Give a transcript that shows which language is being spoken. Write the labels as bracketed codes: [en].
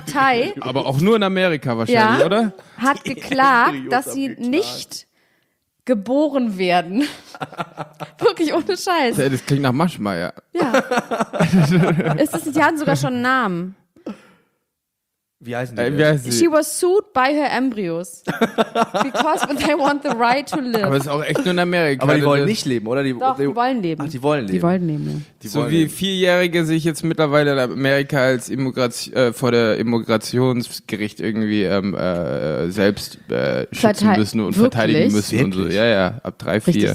[de] Partei. Aber auch nur in Amerika wahrscheinlich, ja, oder? Hat die geklagt, Embryos dass sie geklagt. Nicht geboren werden. Wirklich ohne Scheiß. Das klingt nach Maschmeier. Ja. Es ist, die haben sogar schon einen Namen. Wie heißen die? Wie heißt sie? [en] She was sued by her embryos. Because they want the right to live. [de] Aber das ist auch echt nur in Amerika. Aber die wollen nicht leben, oder? Doch, die wollen leben. Ach, die wollen leben. Die wollen leben. So wie Vierjährige sich jetzt mittlerweile in Amerika als vor der Immigrationsgericht irgendwie selbst schützen müssen und verteidigen müssen. Wirklich? Und so. Ja, ja, ab 3, 4.